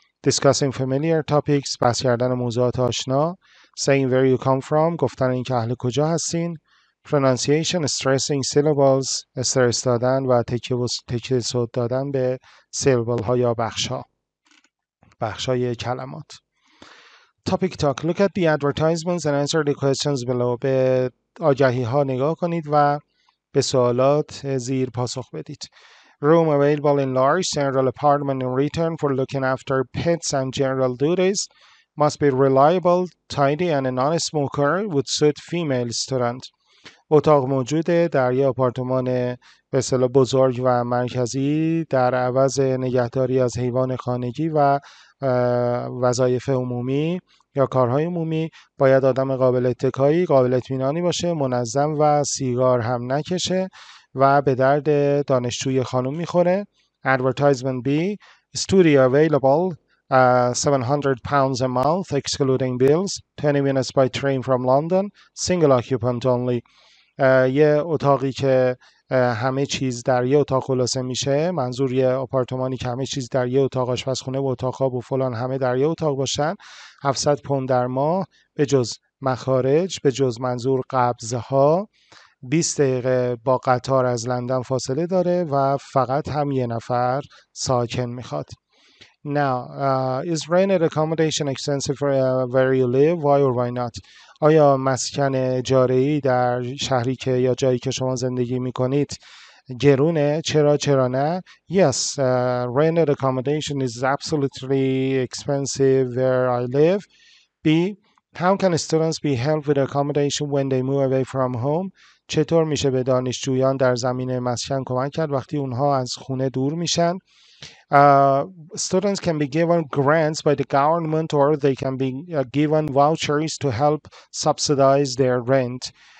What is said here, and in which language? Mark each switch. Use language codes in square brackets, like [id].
[en] Discussing familiar topics, [fa] بحث کردن موضوعات آشنا. [en] Saying where you come from, [fa] گفتن اینکه اهل کجا هستین. [en] Pronunciation, stressing syllables, [fa] استرس دادن و تکیه صوت دادن به syllable ها یا بخش های کلمات. [en] Topic talk, look at the advertisements and answer the questions below. [fa] به آگهی ها نگاه کنید و به سوالات زیر پاسخ بدید. [en] Room available in large general apartment in return for looking after pets and general duties. Must be reliable, tidy and a non-smoker would suit female student. [fa] اتاق موجوده در یه آپارتمان به اصطلاح بزرگ و مرکزی در عوض نگهداری از حیوان خانگی و وظایف عمومی یا کارهای عمومی باید آدم قابل اتکایی، قابل اطمینانی باشه، منظم و سیگار هم نکشه و به درد دانشجوی خانم میخوره. [en] Advertisement B. Studio available. £700 a month excluding bills. 20 minutes by train from London. Single occupant only. [fa] یه اتاقی که همه چیز در یه اتاق خلاصه میشه. منظور یه آپارتمانی که همه چیز در یه اتاق آشپزخونه و اتاق خواب و فلان همه در یه اتاق باشن. 700 پوند در ماه به جز مخارج، به جز منظور قبضها، 20 دقیقه با قطار از لندن فاصله داره و فقط هم یه نفر ساکن میخواد. [en] Now, is rented accommodation expensive for where you live? Why or why not? [fa] آیا مسکن اجاره‌ای در شهری که یا جایی که شما زندگی میکنید گرونه؟ چرا؟ چرا نه؟ [en] Yes, rented accommodation is absolutely expensive where I live. B, how can students be helped with accommodation when they move away from home? [fa] چطور میشه به دانشجویان در زمینه مسکن کمک کرد وقتی اونها از خونه دور میشن؟ [en] Students can be given grants by the government or they can be given vouchers to help subsidize their rent.